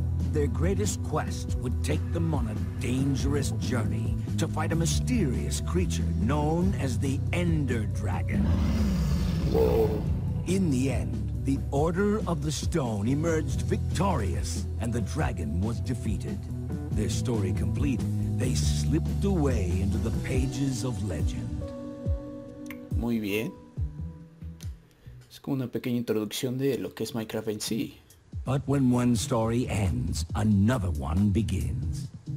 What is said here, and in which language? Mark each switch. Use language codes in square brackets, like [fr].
[en] Their greatest quest would take them on a dangerous journey to fight a mysterious creature known as the Ender Dragon. Whoa. In the end, the Order of the Stone emerged victorious and the dragon was defeated. Their story complete, they slipped away into the pages of legend. [es] Muy bien. Es como una pequeña introducción de lo que es Minecraft en sí. [en] But when one story ends, another one begins.